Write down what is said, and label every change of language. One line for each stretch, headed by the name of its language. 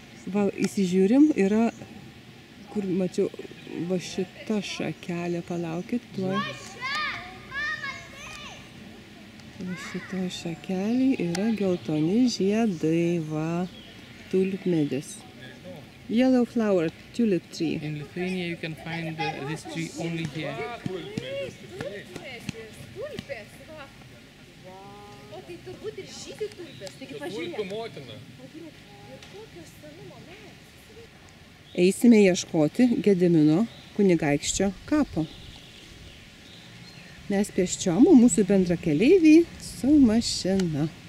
Lithuanian: Va, įsižiūrim, yra, kur mačiau, va šita šakelė, palaukit tuoj. Šito šakelį yra geltoni žiedai, va, tulpmedis.
English: Yellow flower, tulip tree. In Lithuania you can find this tree only here.
Lithuanian: Tulpės, tulpės, va. O tai turbūt ir žydi tulpės, taigi pažiūrėk. Tulpių motina. Eisime ieškoti Gedimino kunigaikščio kapo. Mes pėsčiom, mūsų bendra keleiviai su mašina.